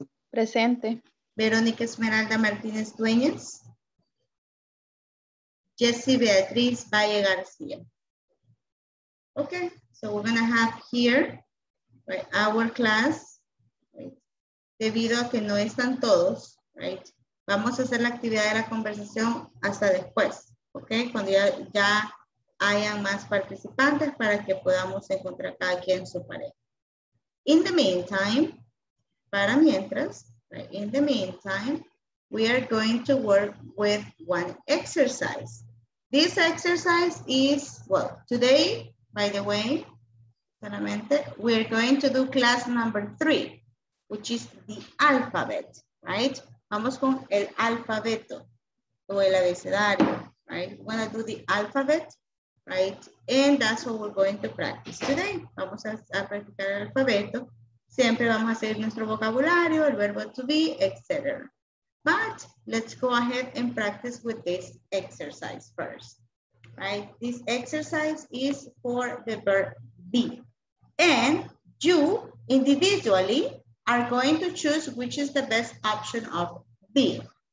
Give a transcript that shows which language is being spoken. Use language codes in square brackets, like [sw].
[es] Presente. Verónica Esmeralda Martínez Dueñas. Jessy Beatriz Valle García. [en] Okay, so we're gonna have here right, our class. [es] Right, debido a que no están todos, right? Vamos a hacer la actividad de la conversación hasta después, ¿ok? Cuando ya hayan más participantes para que podamos encontrar cada quien su pareja. [en] In the meantime, [es] para mientras, [en] right, in the meantime, we are going to work with one exercise. This exercise is, well, today, by the way, [es] solamente, [en] we are going to do class number 3, which is the alphabet, right? [es] Vamos con el alfabeto o el abecedario, right? [en] We want to do the alphabet, right? And that's what we're going to practice today. [es] Vamos a practicar el alfabeto. Siempre vamos a hacer nuestro vocabulario, el verbo to be, etc. [en] But let's go ahead and practice with this exercise first, right? This exercise is for the verb be. And you, individually, are going to choose which is the best option of be.